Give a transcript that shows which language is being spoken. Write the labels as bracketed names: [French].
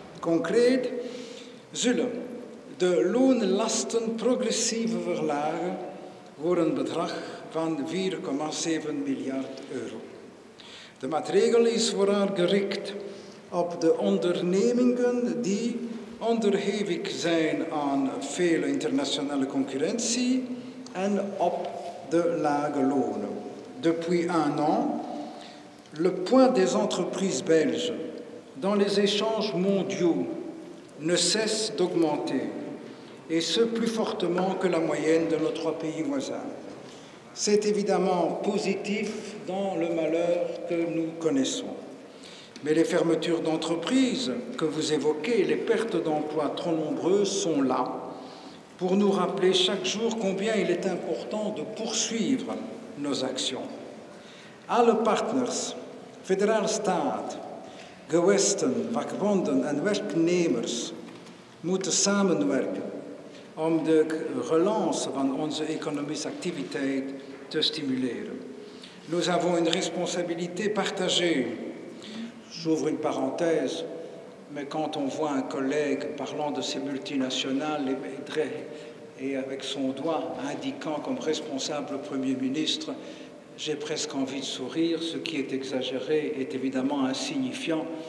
[Dutch] Concreet zullen de loonlasten progressief verlagen voor een bedrag van 4,7 miljard euro. De maatregel is vooral gericht op de ondernemingen die onderhevig zijn aan veel internationale concurrentie en op de lage lonen. [French] Depuis un an, le poids des entreprises belges dans les échanges mondiaux ne cesse d'augmenter, et ce plus fortement que la moyenne de nos trois pays voisins. C'est évidemment positif dans le malheur que nous connaissons. Mais les fermetures d'entreprises que vous évoquez, les pertes d'emplois trop nombreuses sont là pour nous rappeler chaque jour combien il est important de poursuivre nos actions. [Dutch] Alle partners, Federalstaat, Gewesten, Vakbonden en werknemers moeten samenwerken om de relance van onze economische activiteit te stimuleren. [French] Nous avons une responsabilité partagée. J'ouvre une parenthèse, mais quand on voit un collègue parlant de ces multinationales et avec son doigt indiquant comme responsable le Premier ministre, j'ai presque envie de sourire, ce qui est exagéré est évidemment insignifiant.